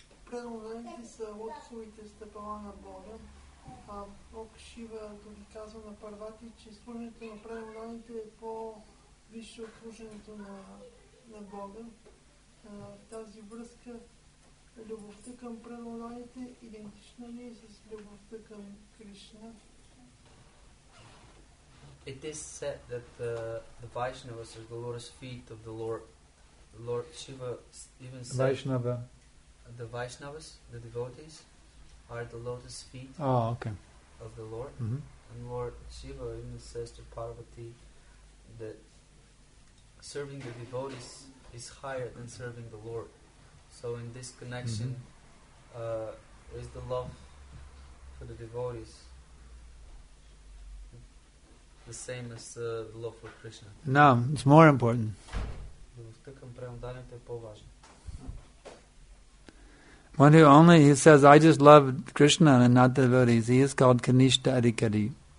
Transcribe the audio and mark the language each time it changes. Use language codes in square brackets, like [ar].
[bg] Преданите са лотосовите стъпала на Бога, а Бог Шива тоги казва на Парвати, че служението на преданите е по-висше от служението на Бога. В тази връзка, любовта към преданите идентична ли е с любовта към Кришна? [en] It is said that the Vaishnavas are the lotus feet of the Lord. Lord Shiva even said Vaishnava. The Vaishnavas, the devotees, are the lotus feet of the Lord. Mm-hmm. And Lord Shiva even says to Parvati that serving the devotees is higher than serving the Lord. So in this connection, is the love for the devotees the same as the love for Krishna? No, it's more important. [bg] Любовта към преданите е по-важна. [en] One who says, I just love Krishna and not the devotees, he is called Kanishta Adhikari.